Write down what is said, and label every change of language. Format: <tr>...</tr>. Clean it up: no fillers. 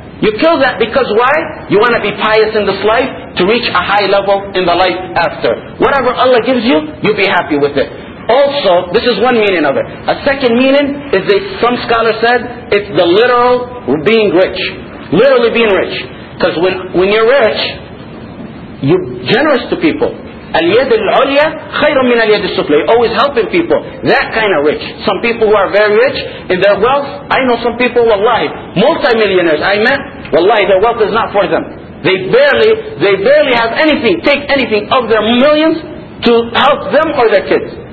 <en>You kill that because why? You wanna be pious in this life to reach a high level in the life after. Whatever Allah gives you, you'll be happy with it. Also, this is one meaning of it. A second meaning is that some scholars said, it's the literal being rich. Literally being rich. Because when you're rich, you're generous to people.</en> <ar>اليد العليا خير من اليد السفلى.</ar> <en>You're always helping people. That kind of rich. Some people who are very rich in their wealth. I know some people, wallahi, multi-millionaires. I met. Wallahi, their wealth is not for them. They barely have anything. Take anything of their millions to help them or their kids.</en>